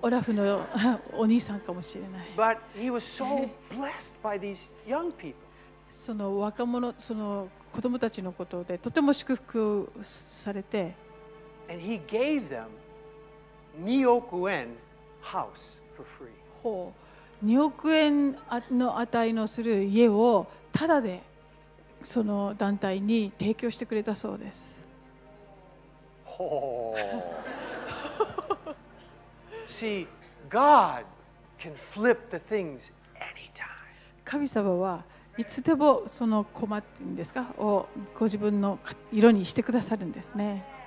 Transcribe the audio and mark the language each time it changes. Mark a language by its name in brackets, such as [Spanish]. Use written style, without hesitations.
[Japanese] オラフのお兄さんかもしれない。 [English] But he was so blessed by these young people. [Japanese] その若者、その子供たちのことでとても祝福されて、 [English] And he gave them 2億円 house for free. [Japanese] ほう、2億円の値のする家をタダでその団体に提供してくれたそうです。 [English] See, God can flip the things anytime. [Japanese] 神様はいつでもその困っているんですかをご自分の色にしてくださるんですね。